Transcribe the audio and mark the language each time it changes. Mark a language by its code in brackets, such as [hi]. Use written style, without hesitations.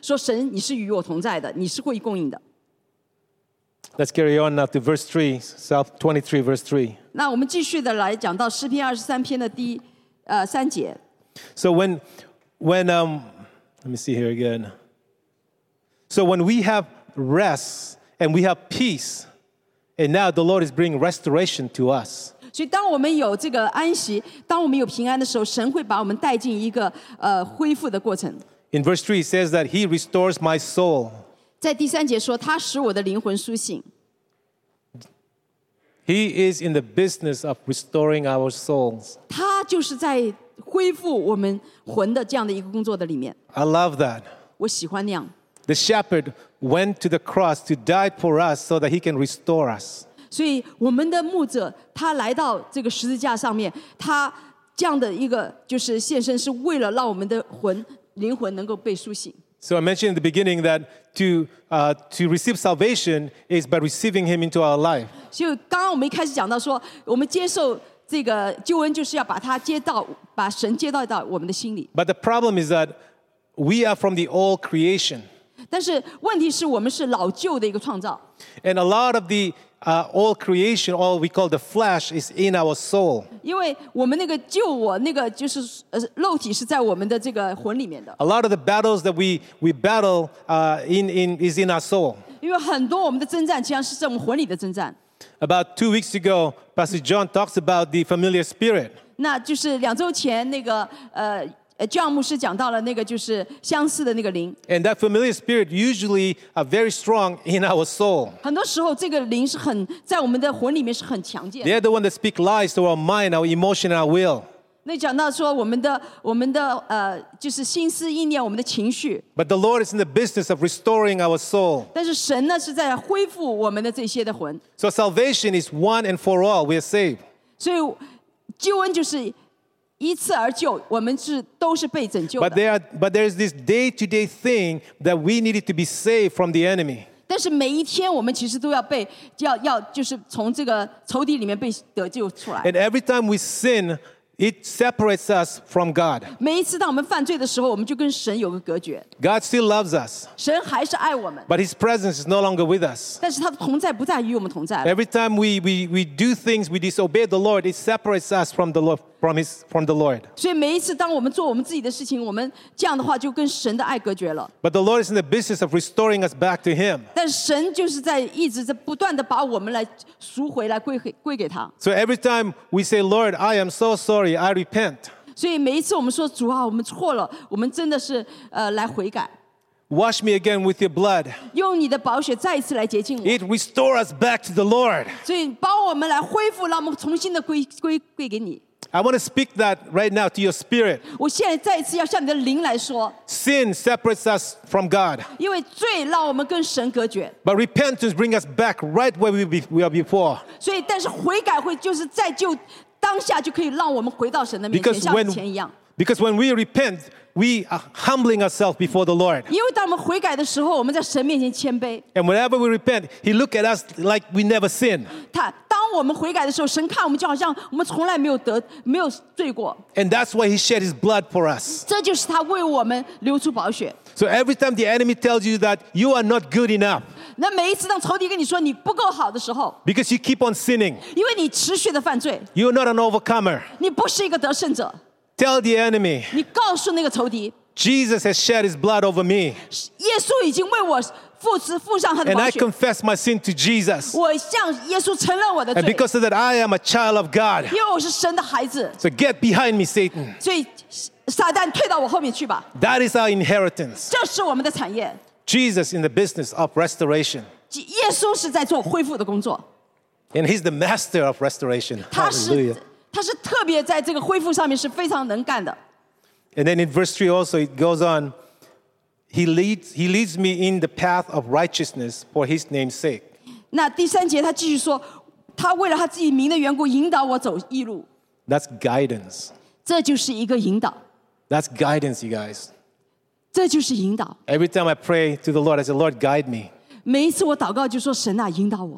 [zh] 所以我应该在一开始的时候就应该来相信,说神,你是与我同在的,你是会供应的。 [en] Let's carry on now to verse 3, Psalm 23, verse 3. [zh] 那我们继续的来讲到诗篇23篇的第三节。 [en] So let me see here again. So when we have rest and we have peace, and now the Lord is bringing restoration to us. [zh] 所以当我们有这个安息,当我们有平安的时候,神会把我们带进一个恢复的过程。 [en] In verse 3, it says that he restores my soul. [zh] 在第三节说, 他使我的灵魂苏醒。 [en] He is in the business of restoring our souls. [zh] 他就是在恢复我们魂的这样的一个工作的里面。 [en] I love that. [zh] 我喜欢那样。 [en] The shepherd went to the cross to die for us so that he can restore us. [zh] 所以我们的牧者他来到这个十字架上面，他这样的一个就是献身是为了让我们的魂灵魂能够被苏醒。 [en] So I mentioned in the beginning that to receive salvation is by receiving him into our life. [zh] 所以刚刚我们一开始讲到说，我们接受这个救恩就是要把他接到，把神接到到我们的心里。 [en] But the problem is that we are from the old creation. [zh] 但是问题是我们是老旧的一个创造。 [en] And a lot of the old creation, all we call the flesh, is in our soul. [zh] 因为我们那个旧我，那个就是肉体是在我们的这个魂里面的。 [en] A lot of the battles that we battle is in our soul. [zh] 因为很多我们的征战，实际上是在我们魂里的征战。 [en] About 2 weeks ago, Pastor John talks about the familiar spirit. [zh] 那就是两周前那个John 牧师讲到了那个就是相似的那个灵。 [en] And that familiar spirit usually are very strong in our soul. [zh] 很多时候这个灵是很在我们的魂里面是很强健。 [en] They're the one that speak lies to our mind, our emotion, our will. [zh] 那讲到说我们的就是心思意念，我们的情绪。 [en] But the Lord is in the business of restoring our soul. [zh] 但是神呢是在恢复我们的这些的魂。 [en] So salvation is one and for all, we are saved. [zh] 所以救恩就是一次而救，我们是都是被拯救的。 [en] But there is this day-to-day thing that we needed to be saved from the enemy. [zh] 但是每一天我们其实都要被要就是从这个仇敌里面被得救出来。 [en] And every time we sin, it separates us from God. [zh] 每一次当我们犯罪的时候，我们就跟神有个隔绝。 [en] God still loves us. [zh] 神还是爱我们。 [en] But His presence is no longer with us. [zh] 但是他的同在不再与我们同在。 [en] Every time we do things, we disobey the Lord, it separates us from the Lord. From the Lord. [zh] 所以每一次当我们做我们自己的事情，我们这样的话就跟神的爱隔绝了。 [en] But the Lord is in the business of restoring us back to Him. [zh] 但神就是在一直在不断的把我们来赎回来归给他。 [en] So every time we say, Lord, I am so sorry, I repent. [zh] 所以每一次我们说主啊，我们错了，我们真的是来悔改。 [en] Wash me again with your blood. [zh] 用你的宝血再一次来洁净我。 [en] It restores us back to the Lord. [zh] 所以帮我们来恢复，让我们重新的归给你。 [en] I want to speak that right now to your spirit. [zh] 我现在再一次要向你的灵来说。 [en] Sin separates us from God. [zh] 因为罪让我们跟神隔绝。 [en] But repentance brings us back right where we were before. [zh] 所以，但是悔改会就是在就当下就可以让我们回到神的面前，像以前一样。 [en] Because when we repent, we are humbling ourselves before the Lord. [zh] 因为当我们悔改的时候，我们在神面前谦卑。 [en] And whenever we repent, He looks at us like we never sinned. [zh] 当我们悔改的时候，神看我们就好像我们从来没有罪过。 [en] And that's why He shed His blood for us. [zh] 这就是他为我们流出宝血。 [en] So every time the enemy tells you that you are not good enough, [zh] 那每一次当仇敌跟你说你不够好的时候， [en] because you keep on sinning, [zh] 因为你持续的犯罪， [en] you are not an overcomer, [zh] 你不是一个得胜者。 [en] Tell the enemy, [zh] 你告诉那个仇敌， [en] Jesus has shed His blood over me. [zh] 耶稣已经为我付上他的宝 [en] 血。And I confess my sin to Jesus. [zh] 我向耶稣承认我的罪。 [en] And because of that, I am a child of God. [zh] 因为我是神的孩子。 [en] So get behind me, Satan. [zh] 所以撒旦退到我后面去吧。 [en] That is our inheritance. [zh] 这是我们的产业。 [en] Jesus in the business of restoration. [zh] 耶稣是在做恢复的工作。 [en] And He's the master of restoration. Hallelujah. [zh] 他是特别在这个恢复上面是非常能干的。 [en] And then in verse 3 also it goes on, He leads me in the path of righteousness for His name's sake. [zh] 那第三节他继续说，他为了他自己名的缘故引导我走义路。 [en] That's guidance. [zh] 这就是一个引导。 [en] That's guidance, you guys. [zh] 这就是引导。 [en] Every time I pray to the Lord, I say, Lord, guide me. [zh] 每一次我祷告就说神啊，引导我。